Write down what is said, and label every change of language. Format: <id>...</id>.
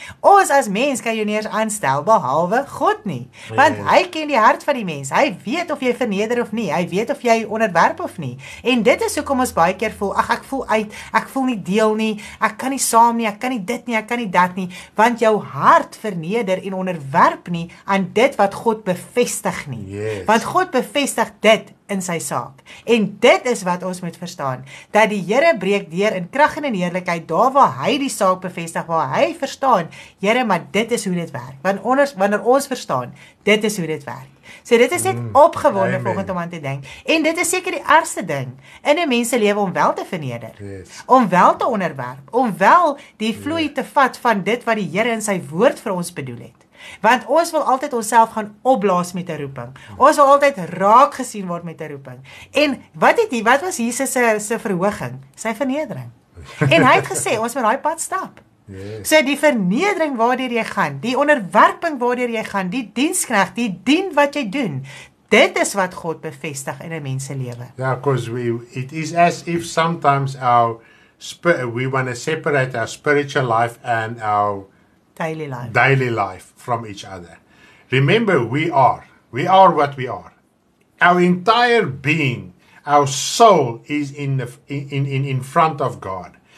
<af>Ons as mens kan jou nie eens aanstel behalwe God nie, want hy ken die hart van die mens, hy weet of jy verneder of nie, hy weet of jy onderwerp of nie, en dit is hoekom ons baie keer voel, ach ek voel uit, ek voel nie deel nie, ek kan nie saam nie, ek kan nie dit nie, ek kan nie dat nie, want jou hart verneder en onderwerp nie aan dit wat God bevestig nie, want God bevestig dit in sy saak. En dit is wat ons moet verstaan, dat die Here breek deur in krag en in heerlikheid, daar waar hy die saak bevestig, waar hy verstaan, Here, maar dit is hoe dit werk. Wanneer ons verstaan, dit is hoe dit werk. So dit is net opgewonde volgend om aan te denk. En dit is seker die ergste ding in die mense lewe om wel te verneder.</af> <en>Yes.</en> <af>Om wel te onderwerp. Om wel die vloei te vat van dit wat die Here in sy woord vir ons bedoel het. Want ons wil altyd onsself gaan opblaas met 'n roeping. Ons wil altyd raak gesien word met 'n roeping. En wat was Jesus se verhoging? Sy vernedering. En hy het gesê, ons moet daai pad stap.</af> <en>Yes.</en> <af>So die vernedering waardeur jy gaan, die onderwerping waardeur jy gaan, die diensknegt, die dien wat jy doen, dit is wat God bevestig in 'n mens se lewe.</af> <en>Yeah, because it is as if sometimes we want to separate our spiritual life and our daily life from each other. Remember, we are what we are. Our entire being, our soul is in front of God.</en>